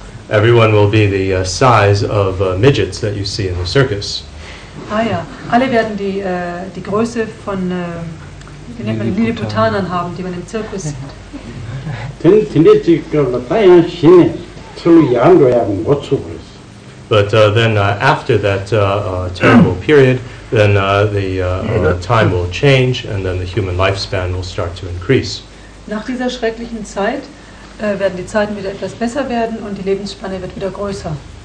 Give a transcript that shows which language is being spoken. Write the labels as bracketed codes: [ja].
[en] Everyone will be the size of midgets that you see in the circus. [de] Ah ja, alle werden die die Größe von Lilliputanern haben, die man im Zirkus sieht. [en] But then after that terrible period, then the time will change and then the human lifespan will start to increase. [de] Nach dieser schrecklichen Zeit werden die Zeiten wieder etwas besser werden und die Lebensspanne wird wieder größer.